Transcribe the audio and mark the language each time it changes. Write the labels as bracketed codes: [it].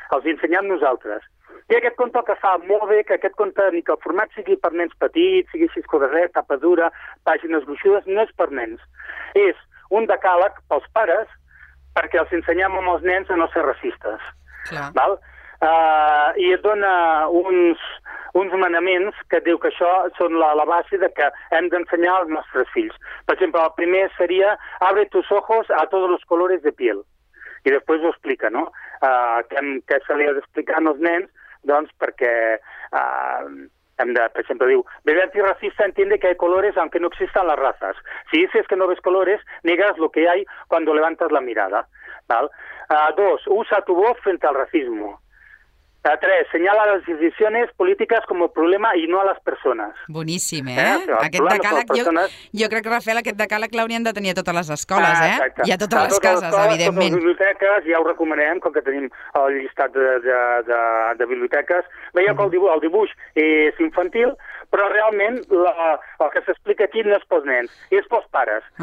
[ca] Els ensenyem nosaltres. I aquest conte que fa molt bé, que aquest conte, ni que el format sigui per nens petits, sigui així, coderet, tapa dura, pàgines gruixudes, no és per nens. És un decàleg pels pares, perquè els ensenyem amb els nens a no ser racistes. Clar. Val? I et dona uns manaments que diu que això són la base de que hem d'ensenyar als nostres fills. Per exemple, el primer seria [es] abre tus ojos a todos los colores de piel. [ca] I després ho explica, no? Que se li ha d'explicar als nens, doncs, perquè... per exemple, diu, [es] bebé antirracista entiende que hay colores aunque no existan las razas. Si dices que no ves colores, negas lo que hay cuando levantas la mirada. ¿Vale? Dos, usa tu voz frente al racismo. Tres, señala las decisiones políticas como problema y no a las personas. [ca] Boníssim, eh? Aquest decàleg, jo crec que, Rafael, aquest decàleg l'haurien de tenir a totes les escoles, Exacte. I a totes les cases, escoles, evidentment. A totes les biblioteques, ja ho recomanem, com que tenim el llistat de biblioteques. Veieu que el dibuix és infantil, però realment el que s'explica aquí no és pels nens, és pels pares.